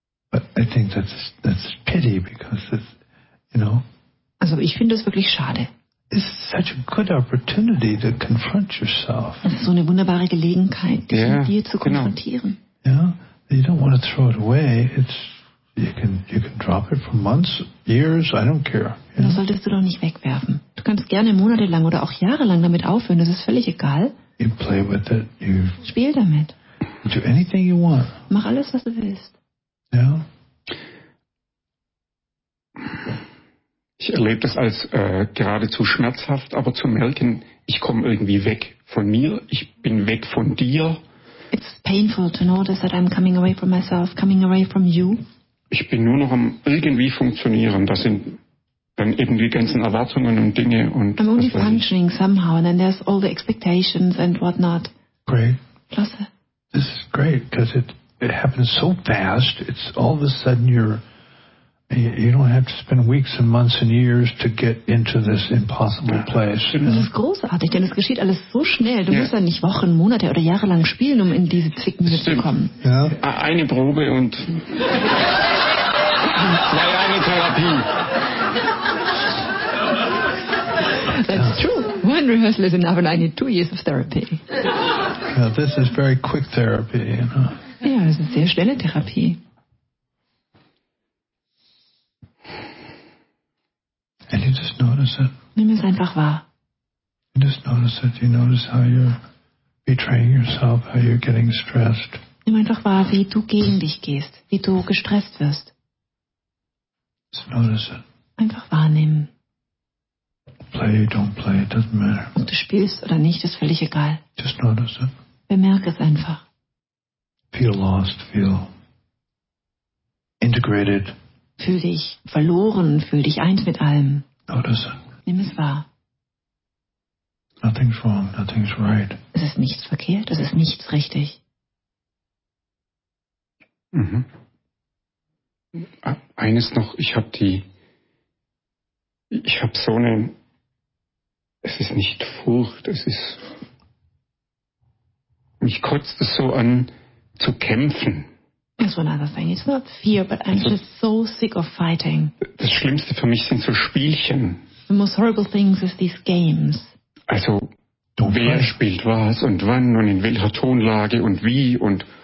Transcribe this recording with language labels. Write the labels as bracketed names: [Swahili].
[English] But I think that's pity because it's, you know. [German] Also ich finde das wirklich schade. [English] It's such a good opportunity to confront yourself. [German] Es ist so eine wunderbare Gelegenheit, dich mit dir zu konfrontieren. [English] Yeah, you don't want to throw it away. It's you can drop it for months, years. I don't care. [German] Das solltest du doch nicht wegwerfen. Du kannst gerne monatelang oder auch jahrelang damit aufhören. Das ist völlig egal. [English] You play with it. You [German] spiel damit. [English] Do anything you want. [German] Mach alles, was du willst. [English] Yeah. [German] Ich erlebe das als geradezu schmerzhaft, aber zu merken, ich komme irgendwie weg von mir, ich bin weg von dir. [English] It's painful to notice that I'm coming away from myself, coming away from you. [German] Ich bin nur noch am irgendwie funktionieren. Das sind dann eben die ganzen Erwartungen und Dinge und. [English] I'm only functioning somehow, and then there's all the expectations and whatnot. Great. [German] Klasse. [English] This is great, because it happens so fast. It's all of a sudden you're. You don't have to spend weeks and months and years to get into this impossible place. [German] Das ist großartig, denn es geschieht alles so schnell. Du musst ja nicht Wochen, Monate oder Jahre lang spielen, um in diese Zwickmühle zu kommen. Ja. Eine Probe und zwei Jahre Therapie. [English] That's true. One rehearsal is enough and I need 2 years of therapy. Yeah, this is very quick therapy, you know. [German] Ja, das ist sehr schnelle Therapie. [English] And you just notice it. [German] Nimm es einfach wahr. [English] You just notice it. You notice how you're betraying yourself, how you're getting stressed. [German] Nimm einfach wahr, wie du gegen dich gehst, wie du gestresst wirst. [English] Just notice it. [German] Einfach wahrnehmen. [English] Play, don't play, it doesn't matter. [German] Ob du spielst oder nicht, ist völlig egal. [English] Just notice it. [German] Bemerk es einfach. [English] Feel lost, feel integrated. [German] Fühl dich verloren, fühl dich eins mit allem. [English] Notice. [German] Nimm es wahr. [English] Nothing's wrong, nothing's right. [German] Es ist nichts verkehrt, es ist nichts richtig. Mhm. Eines noch, ich habe so eine, es ist nicht Furcht, es ist, mich kotzt es so an, zu kämpfen. [English] That's one other thing. It's not fear, but I'm just so sick of fighting. [German] Das Schlimmste für mich sind so Spielchen. [English] The most horrible things is these games. [German] Also, wer spielt was und wann und in welcher Tonlage und wie und